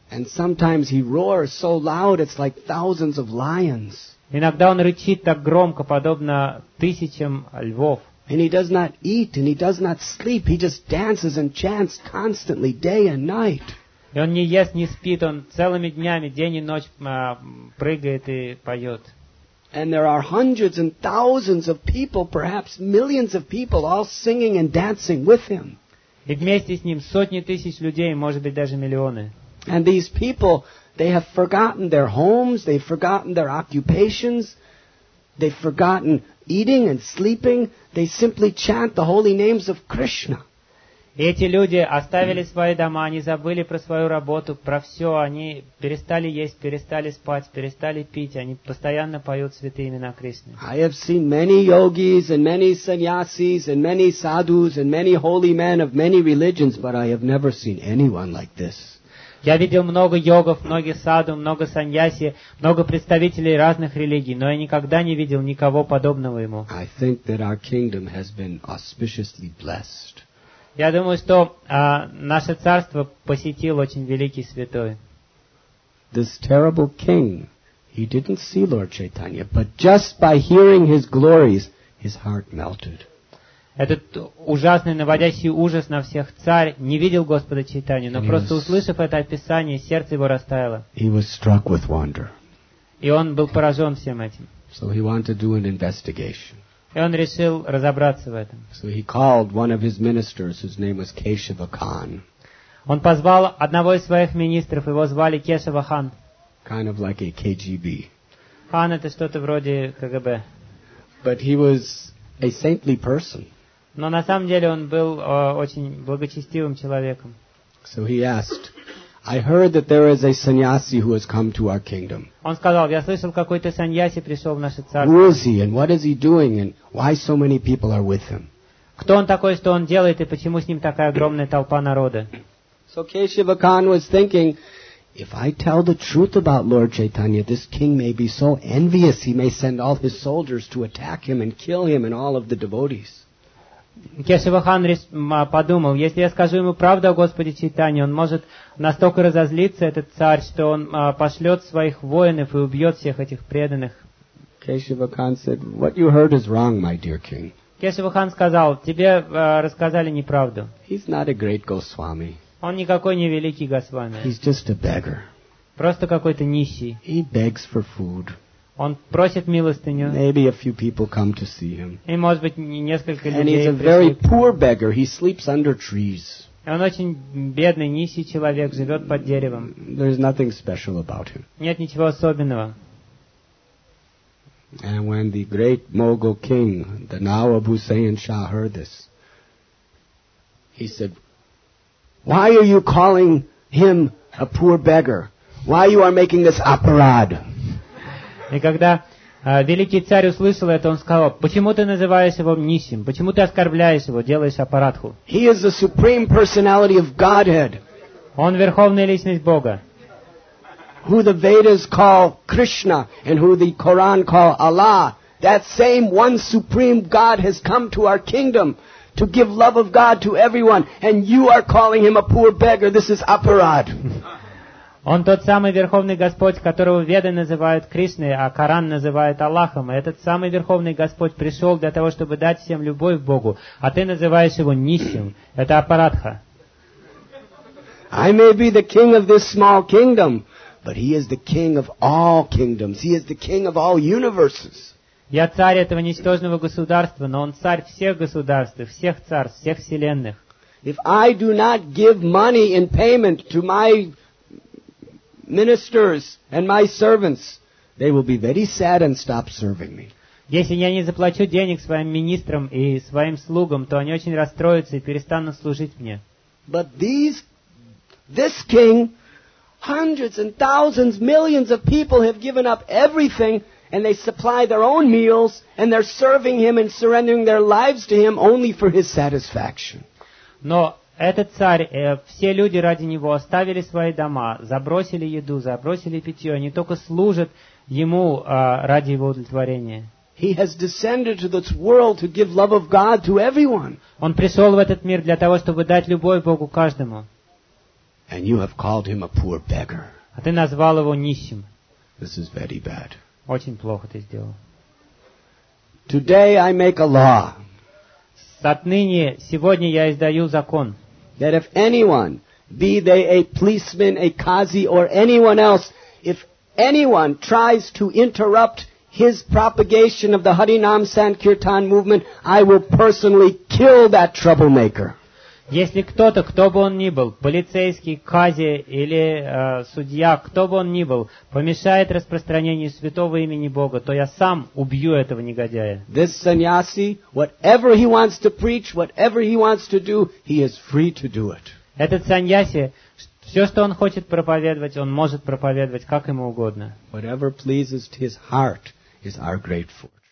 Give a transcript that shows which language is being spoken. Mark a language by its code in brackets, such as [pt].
[en] And sometimes he roars so loud, it's like thousands of lions. [ru] Иногда он рычит так громко, подобно тысячам львов. [en] And he does not eat, and he does not sleep, he just dances and chants constantly, day and night. [ru] И он не ест, не спит, он целыми днями, день и ночь прыгает и поет. [en] And there are hundreds and thousands of people, perhaps millions of people, all singing and dancing with him. [ru] И вместе с ним сотни тысяч людей, может быть, даже миллионы. [en] And these people, they have forgotten their homes, they've forgotten their occupations, they've forgotten eating and sleeping, they simply chant the holy names of Krishna. [ru] И эти люди оставили свои дома, они забыли про свою работу, про все, они перестали есть, перестали спать, перестали пить, они постоянно поют святые имена Кришны. [en] I have seen many yogis and many sannyasis and many sadhus and many holy men of many religions, but I have never seen anyone like this. [ru] Я видел много йогов, много садху, много саньяси, много представителей разных религий, но я никогда не видел никого подобного ему. [en] I think that our kingdom has been auspiciously blessed. [ru] Я думаю, что наше царство посетил очень великий святой. [en] This terrible king, he didn't see Lord Chaitanya, but just by hearing his glories, his heart melted. [ru] Этот ужасный, наводящий ужас на всех царь не видел Господа Чайтанью, но просто услышав это описание, сердце его растаяло. [en] He was struck with wonder. [ru] И он был поражен всем этим. [en] So he wanted to do an investigation. [ru] И он решил разобраться в этом. [en] So he called one of his ministers, whose name was Keshava Khan. [ru] Он позвал одного из своих министров, его звали Кешава Хан. [en] Kind of like a KGB. [ru] Хан — это что-то вроде КГБ. [en] But he was a saintly person. [ru] Но на самом деле он был очень благочестивым человеком. [en] So he asked, I heard that there is a sannyasi who has come to our kingdom. [ru] Он сказал, я слышал, какой-то саньяси пришел в наше царство. [en] Who is he and what is he doing and why so many people are with him? [ru] Кто он такой, что он делает и почему с ним такая огромная толпа народа? [en] So Keshava Khan was thinking, if I tell the truth about Lord Chaitanya, this king may be so envious he may send all his soldiers to attack him and kill him and all of the devotees. [ru] Кешава Хан подумал, если я скажу ему правду о Господе Чайтане, он может настолько разозлиться, этот царь, что он пошлет своих воинов и убьет всех этих преданных. [en] Кешава Хан said, what you heard is wrong, my dear king. [ru] Кешава Хан сказал, тебе рассказали неправду. [en] He's not a great Goswami. [ru] Он никакой не великий Госвами. [en] He's just a beggar. [ru] Просто какой-то нищий. [en] He begs for food. [ru] Он просит милостыню. [en] Maybe a few people come to see him. [ru] И, может быть, несколько людей пришли. [en] And he's a very poor beggar. He sleeps under trees. [ru] И он очень бедный, нищий человек, живет под деревом. [en] There's nothing special about him. [ru] Нет ничего особенного. [en] And when the great Mughal king, the Nawab Hussein Shah, heard this, he said, why are you calling him a poor beggar? Why you are making this aparad? [ru] И когда великий царь услышал это, он сказал, почему ты называешь его нищим? Почему ты оскорбляешь его, делаешь аппаратху? [en] He is the supreme personality of Godhead. [ru] Он верховная личность Бога. [en] Who the Vedas call Krishna and who the Quran call Allah, that same one supreme God has come to our kingdom to give love of God to everyone, and you are calling him a poor beggar. This is aparad. [ru] Он тот самый Верховный Господь, которого Веды называют Кришной, а Коран называют Аллахом. И этот самый Верховный Господь пришел для того, чтобы дать всем любовь к Богу, а ты называешь его нищим. Это аппаратха. [en] I may be the king of this small kingdom, but he is the king of all kingdoms. He is the king of all universes. [ru] Я царь этого ничтожного государства, но он царь всех государств, всех царств, всех вселенных. [en] If I do not give money in payment to my ministers and my servants, they will be very sad and stop serving me. [ru] Если я не заплачу денег своим министрам и своим слугам, то они очень расстроятся и перестанут служить мне. [en] But this king, hundreds and thousands, millions of people have given up everything and they supply their own meals and they're serving him and surrendering their lives to him only for his satisfaction. [ru] Но этот царь, все люди ради него оставили свои дома, забросили еду, забросили питье, они только служат ему ради его удовлетворения. [en] He has descended to this world to give love of God to everyone. [ru] Он пришёл в этот мир для того, чтобы дать любовь Богу каждому. [en] And you have called him a poor beggar. [ru] А ты назвал его нищим. [en] This is very bad. [ru] Очень плохо ты сделал. [en] Today I make a law. [ru] Отныне, сегодня я издаю закон. [en] That if anyone, be they a policeman, a qazi, or anyone else, if anyone tries to interrupt his propagation of the Harinam Sankirtan movement, I will personally kill that troublemaker. [ru] Если кто-то, кто бы он ни был, полицейский, кази или судья, кто бы он ни был, помешает распространению святого имени Бога, то я сам убью этого негодяя. [en] This sannyasi, whatever he wants to preach, whatever he wants to do, he is free to do it. [ru] Этот сannyasi, все, что он хочет проповедовать, он может проповедовать, как ему угодно. [en] Whatever pleases his heart is our great fortune.